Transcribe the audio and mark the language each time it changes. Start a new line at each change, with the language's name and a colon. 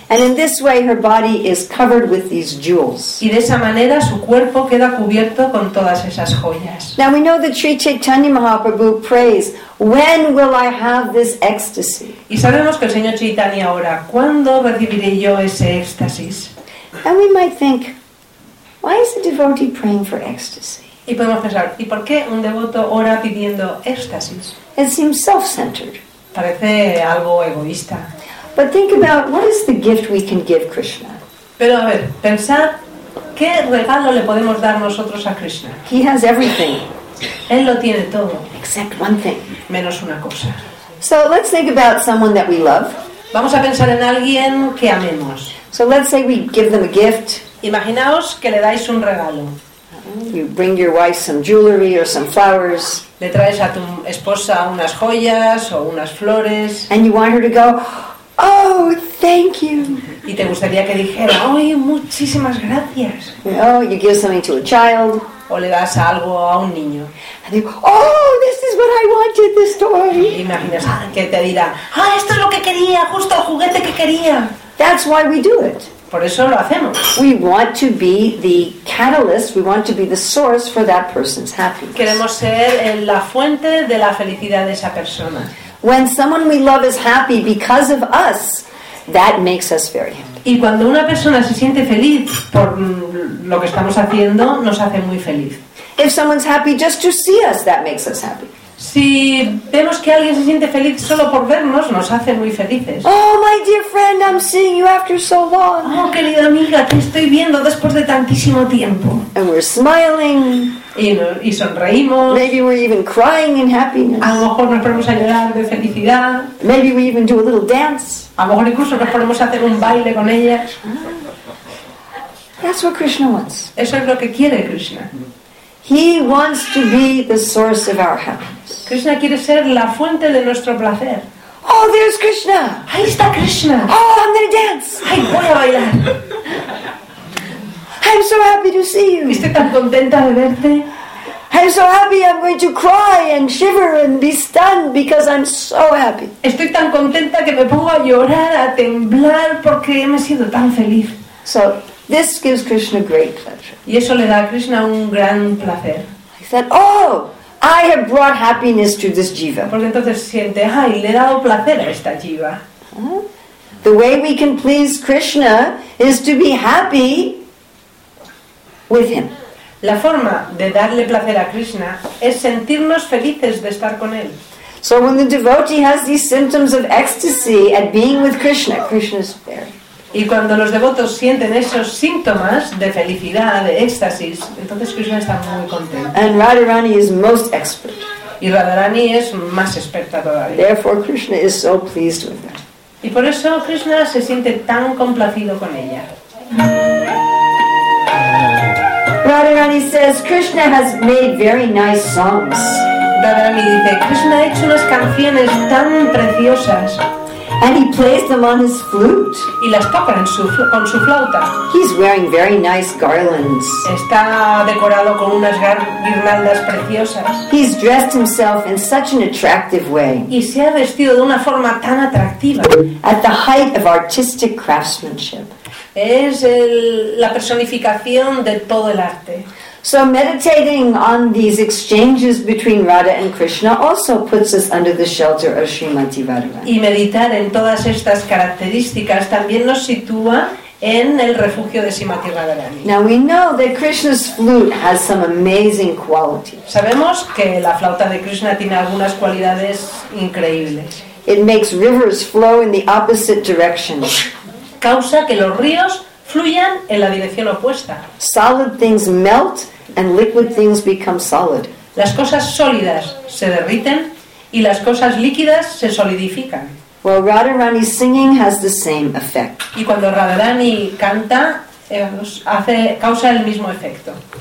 English: And in this way her body is covered with these jewels.
Spanish: Y de esa manera su cuerpo queda cubierto con todas esas joyas.
English: Now we know that Sri Chaitanya Mahaprabhu prays, when will I have this ecstasy?
Spanish: Y sabemos que el Señor Chaitanya ora, ¿cuándo recibiré yo ese éxtasis?
English: And we might think, why is a devotee praying for ecstasy?
Spanish: Y podemos pensar, ¿y por qué un devoto ora pidiendo éxtasis?
English: It seems self-centered.
Spanish: Parece algo egoísta.
English: But think about what is the gift we can give Krishna.
Spanish: Pero a ver, pensad, ¿qué regalo le podemos dar nosotros a Krishna?
English: He has everything.
Spanish: Él lo tiene todo.
English: Except one thing.
Spanish: Menos una cosa.
English: So let's think about someone that we love.
Spanish: Vamos a pensar en alguien que amemos.
English: So let's say we give them a gift.
Spanish: Imaginaos que le dais un regalo.
English: You bring your wife some jewelry or some flowers.
Spanish: Le traes a tu esposa unas joyas o unas flores.
English: And you want her to go, oh, thank you.
Spanish: Y te gustaría que dijera, oh, muchísimas gracias.
English: Oh, you give something to a child.
Spanish: O le das algo a un niño.
English: And you go, oh, this is what I wanted, this toy.
Spanish: Imaginas que te dirá, ah, esto es lo que quería, justo el juguete que quería.
English: That's why we do it.
Spanish: Por eso lo hacemos.
English: We want to be the catalyst, we want to be the source for that person's happiness.
Spanish: Queremos ser la fuente de la felicidad de esa persona.
English: When someone we love is happy because of us, that makes us very happy.
Spanish: Y cuando una persona se siente feliz por lo que estamos haciendo, nos hace muy feliz.
English: If someone's happy just to see us, that makes us happy.
Spanish: Si vemos que alguien se siente feliz solo por vernos, nos hace muy felices.
English: Oh, my dear friend, I'm seeing you after so long.
Spanish: Oh, querida amiga, te estoy viendo después de tantísimo tiempo.
English: And we're smiling.
Spanish: Y sonreímos.
English: Maybe we're even crying in happiness.
Spanish: A lo mejor nos ponemos a llorar de felicidad.
English: Maybe we even do a little dance.
Spanish: A lo mejor incluso nos ponemos a hacer un baile con ellas.
English: That's what Krishna wants.
Spanish: Eso es lo que quiere Krishna.
English: He wants to be the source of our happiness.
Spanish: Krishna quiere ser la fuente de nuestro placer.
English: Oh, there's Krishna.
Spanish: Ahí está Krishna.
English: Oh, I'm gonna dance.
Spanish: Ay, voy a bailar.
English: I'm so happy to see you.
Spanish: Estoy tan contenta de verte.
English: I'm so happy I'm going to cry and shiver and be stunned because I'm so happy.
Spanish: Estoy tan contenta que me pongo a llorar, a temblar porque me siento tan feliz.
English: So this gives Krishna great pleasure.
Spanish: Y eso le da a Krishna un gran placer.
English: I said, oh, I have brought happiness to this jiva.
Spanish: Porque entonces siente, ay, le he dado placer a esta jiva.
English: The way we can please Krishna is to be happy with him.
Spanish: La forma de darle placer a Krishna es sentirnos felices de estar con él.
English: So when the devotee has these symptoms of ecstasy at being with Krishna, Krishna is there.
Spanish: Y cuando los devotos sienten esos síntomas de felicidad, de éxtasis, entonces Krishna está muy contento.
English: And Radharani is most expert.
Spanish: Y Radharani es más experta todavía.
English: Therefore Krishna is so pleased with her.
Spanish: Y por eso Krishna se siente tan complacido con ella.
English: Radharani says Krishna has made very nice songs.
Spanish: Radharani dice Krishna ha hecho unas canciones tan preciosas.
English: And he plays them on his flute.
Spanish: Y las toca en su con su flauta.
English: He's wearing very nice garlands.
Spanish: Está decorado con unas guirnaldas preciosas.
English: He's dressed himself in such an attractive way.
Spanish: Y se ha vestido de una forma tan atractiva.
English: At the height of artistic craftsmanship.
Spanish: Es la personificación de todo el arte.
English: So meditating on these exchanges between Radha and Krishna also puts us under the shelter of Srimati Radharani.
Spanish: Y meditar en todas estas características también nos sitúa en el refugio de Srimati Radharani.
English: Now we know that Krishna's flute has some amazing qualities.
Spanish: Sabemos que la flauta de Krishna tiene algunas cualidades increíbles.
English: It makes rivers flow in the opposite direction.
Spanish: Causa que los ríos fluyan en la dirección opuesta.
English: Solid things melt and liquid things become solid.
Spanish: Las cosas sólidas se derriten y las cosas líquidas se solidifican.
English: Well, Radharani singing has the same effect.
Spanish: Y cuando Radharani canta, causa el mismo efecto.